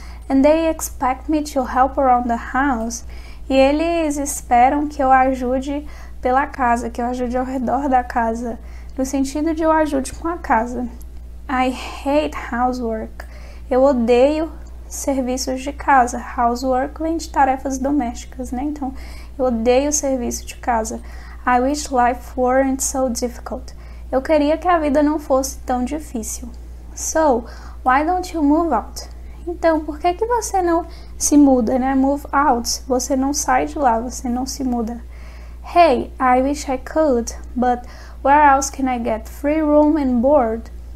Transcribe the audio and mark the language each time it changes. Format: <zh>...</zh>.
<en>And they expect me to help around the house.</en> <pt>E eles esperam que eu ajude pela casa, que eu ajude ao redor da casa, no sentido de eu ajude com a casa.</pt> <en>I hate housework.</en> <pt>Eu odeio serviços de casa. Housework vem de tarefas domésticas, né? Então, eu odeio serviço de casa.</pt> <en>I wish life weren't so difficult.</en> <pt>Eu queria que a vida não fosse tão difícil.</pt> <en>So, why don't you move out?</en> <pt>Então, por que que você não se muda, né?</pt> <en>Move out.</en> <pt>Você não sai de lá, você não se muda.</pt> <en>Hey, I wish I could, but where else can I get free room and board?</en>